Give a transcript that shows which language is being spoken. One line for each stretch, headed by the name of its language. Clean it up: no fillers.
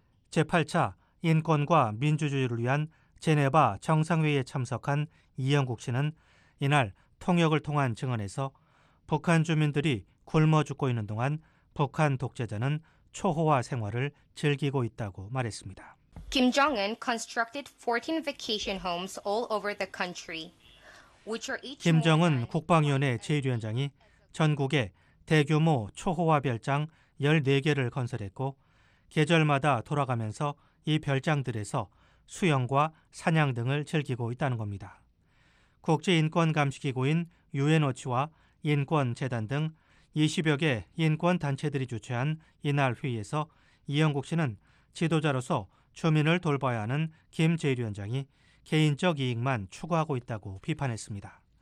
Korean: 제8차 인권과 민주주의를 위한 제네바 정상회의에 참석한 이영국 씨는 이날 통역을 통한 증언에서 북한 주민들이 굶어 죽고 있는 동안 북한 독재자는 초호화 생활을 즐기고 있다고 말했습니다.
English: Kim Jong-un constructed 14 vacation homes all over the country, which are each.
Korean: 김정은 국방위원회 제1위원장이 전국에 대규모 초호화 별장 14개를 건설했고 계절마다 돌아가면서 이 별장들에서 수영과 사냥 등을 즐기고 있다는 겁니다. 국제인권감시기구인 UNOCHA와 인권재단 등 20여 개 인권단체들이 주최한 이날 회의에서 이영국 씨는 지도자로서 주민을 돌봐야 하는 김 제1위원장이 개인적 이익만 추구하고 있다고 비판했습니다.